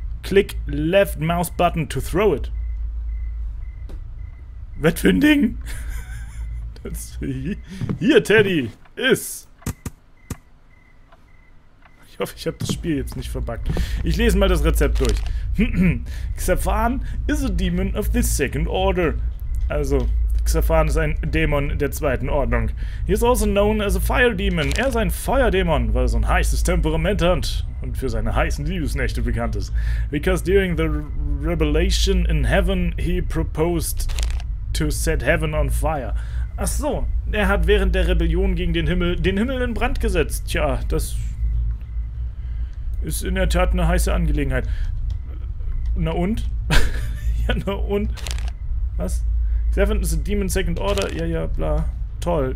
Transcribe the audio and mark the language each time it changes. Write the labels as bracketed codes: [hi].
[en] Click left mouse button to throw it. [de] Was für ein Ding? Das hier, Teddy. Ist. Ich hoffe, ich habe das Spiel jetzt nicht verbuggt. Ich lese mal das Rezept durch. [en] Xephan is a demon of the second order. [de] Also, Xephan ist ein Dämon der zweiten Ordnung. [en] He is also known as a fire demon. [de] Er ist ein Feuerdämon, weil er so ein heißes Temperament hat und für seine heißen Liebesnächte bekannt ist. [en] Because during the revelation in heaven, he proposed to set heaven on fire. [de] Ach so, er hat während der Rebellion gegen den Himmel in Brand gesetzt. Tja, das ist in der Tat eine heiße Angelegenheit. Na und? Ja, na und? Was? [en] Seven is a demon second order. [de] Ja, ja, bla. Toll.